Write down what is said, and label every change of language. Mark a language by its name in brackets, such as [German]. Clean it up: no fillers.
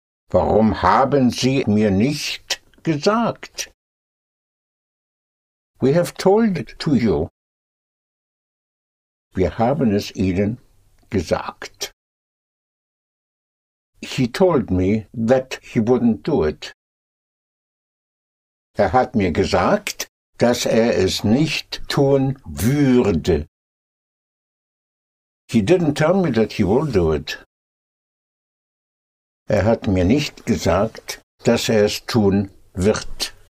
[German] Warum haben Sie mir nicht gesagt? [English] We have told it to you. [German] Wir haben es Ihnen gesagt. [English] He told me that he wouldn't do it. [German] Er hat mir gesagt, dass er es nicht tun würde. [English] He didn't tell me that he would do it. [German] Er hat mir nicht gesagt, dass er es tun wird.